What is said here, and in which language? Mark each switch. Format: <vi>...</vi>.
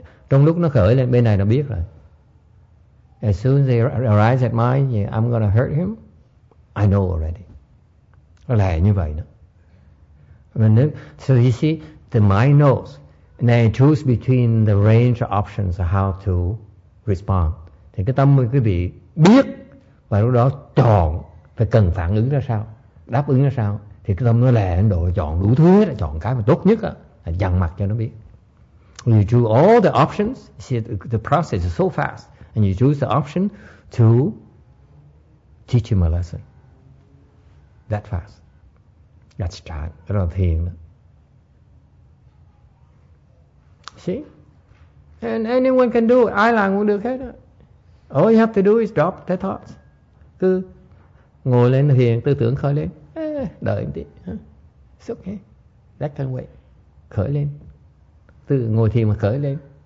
<vi>Trong lúc nó khởi lên bên này nó biết rồi.</vi> <en>As soon as they arise at mine, yeah, I'm gonna hurt him. I know already.</en> <vi>Nó lè như vậy đó.</vi> <en>And then, so you see, the mind knows. And then it choose between the range of options of how to respond.</en> <vi>Thì cái tâm quý vị biết và lúc đó chọn phải cần phản ứng ra sao, đáp ứng ra sao. Thì cái tâm nó lè, Ấn Độ chọn đủ thứ hết, chọn cái mà tốt nhất là dằn mặt cho nó biết.</vi> <en>You choose all the options. See, the process is so fast. And you choose the option to teach him a lesson. That fast. That's chan.</en> <vi>Rất là thiền.</vi> <en>See? And anyone can do it.</en> <vi>Ai làm cũng được hết.</vi> <en>All you have to do is drop the thoughts.</en> <vi>Cứ ngồi lên thiền, tư tưởng khởi lên. Đợi một tí.</vi> <en>It's okay. That can wait.</en> <vi>Khởi lên. Từ ngồi thiền mà khởi lên.</vi>